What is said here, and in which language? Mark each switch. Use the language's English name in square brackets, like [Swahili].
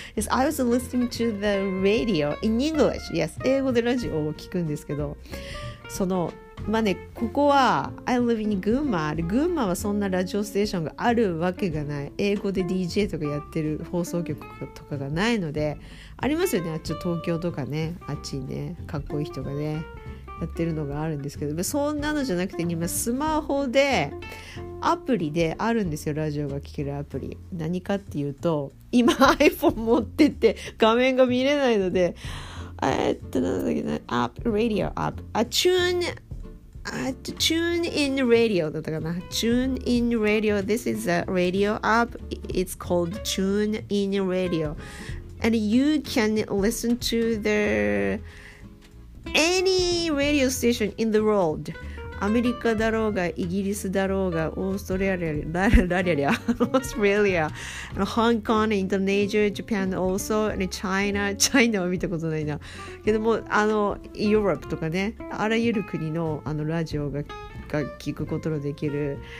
[English] I was listening to the radio in English. [Japanese] Yes, 英語でラジオを聞くんですけど、その。まあね、ここは [English] I live in 群馬、 [Japanese] 群馬はそんなラジオステーションがあるわけがない、英語で DJ とかやってる放送局とかがないので、ありますよね、あっち東京とかね、あっちにねかっこいい人がねやってるのがあるんですけど、そんなのじゃなくて今スマホでアプリであるんですよ、ラジオが聴けるアプリ。何かっていうと、今 iPhone 持ってて画面が見れないので、なんだっけな、アップ、ラディオアップ、あ、チューン、TuneIn Radio だったかな。 [English] TuneIn Radio. This is a radio app. It's called TuneIn Radio. And you can listen to the any radio station in the world。 [Japanese] アメリカだろうがイギリスだろうがオーストラリア、オーストラリア、香港、インドネシア、ジャパン、オーソ、チャイナは見たことないな。けどもヨーロッパとかね、あらゆる国のラジオが聞くことのできる。